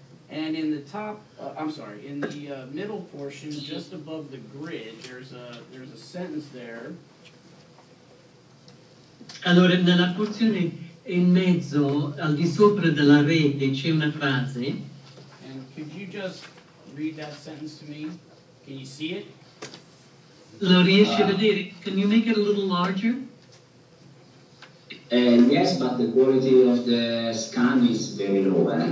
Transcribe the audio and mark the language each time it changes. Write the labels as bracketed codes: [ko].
[en] And in the top, in the middle portion, just above the grid, there's a sentence there. [it] Allora, nella porzione in mezzo, al di sopra della rete, c'è una frase. [en] And could you just read that sentence to me? Can you see it? [it] Lo riesci a vedere? [en] Can you make it a little larger? Yes, but the quality of the scan is very low.